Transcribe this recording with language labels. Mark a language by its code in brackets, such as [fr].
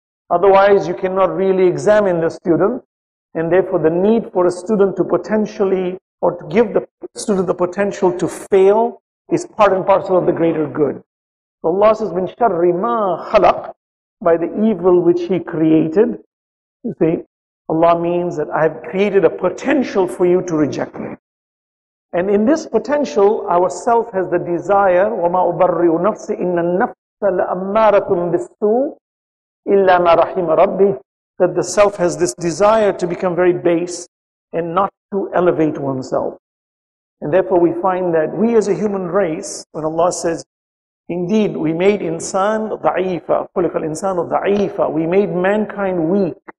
[en] Otherwise, you cannot really examine the student. And therefore, the need for a student to potentially, or to give the student the potential to fail, is part and parcel of the greater good. So Allah says, [ar] min sharri ma khalaq, [en] by the evil which he created. You see, Allah means that I have created a potential for you to reject me. And in this potential, our self has the desire, [ar] وَمَا أُبَرِّئُ نَفْسِ إِنَّ النَّفْسَ لَأَمَّارَةٌ بِالسُّوءِ إِلَّا مَا رَحِمَ رَبِّي. [en] That the self has this desire to become very base and not to elevate oneself. And therefore we find that we as a human race, when Allah says, indeed, we made insan da'ifa, [ar] خُلِقَ الْإِنسَانُ da'ifa, [en] we made mankind weak.